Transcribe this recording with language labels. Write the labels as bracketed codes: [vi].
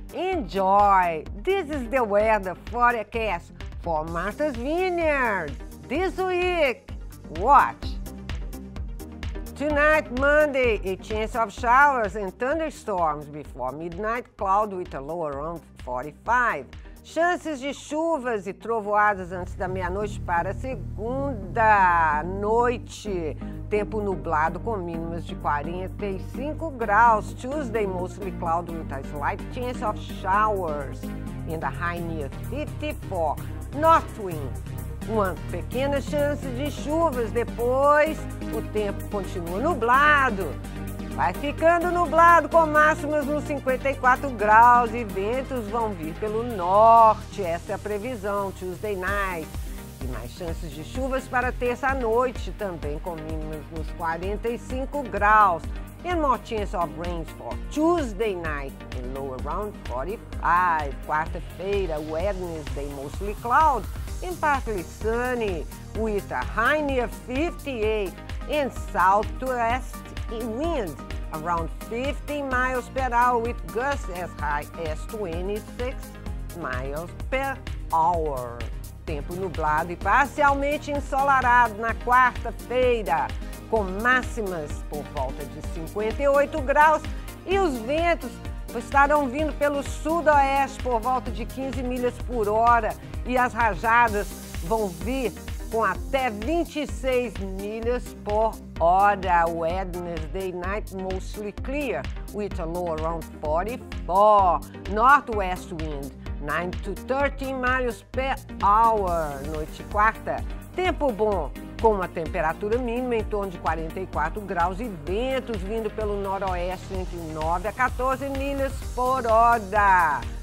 [en] Enjoy. This is the weather forecast for Martha's Vineyard this week. Watch. Tonight, Monday, a chance of showers and thunderstorms before midnight, cloud with a low around 45. [pt] Chances de chuvas e trovoadas antes da meia-noite para segunda noite. Tempo nublado com mínimas de 45 graus. [en] Tuesday, mostly cloud with a slight chance of showers in the high near 54. North wind. [pt] Uma pequena chance de chuvas, depois o tempo continua nublado. Vai ficando nublado com máximas nos 54 graus e ventos vão vir pelo norte. Essa é a previsão, [en] Tuesday night. [pt] E mais chances de chuvas para terça noite, também com mínimas nos 45 graus. [en] And more chance of rain for Tuesday night and low around 45. Quarta-feira, Wednesday, mostly cloud and partly sunny with a high near 58 and southwest wind around 50 miles per hour with gusts as high as 26 miles per hour. [pt] Tempo nublado e parcialmente ensolarado na quarta-feira, com máximas por volta de 58 graus e os ventos estarão vindo pelo sudoeste por volta de 15 milhas por hora e as rajadas vão vir com até 26 milhas por hora. [en] Wednesday night mostly clear with a low around 44. Northwest wind 9 to 13 miles per hour. [pt] Noite quarta, tempo bom, com uma temperatura mínima em torno de 44 graus e ventos vindo pelo noroeste entre 9 a 14 milhas por hora.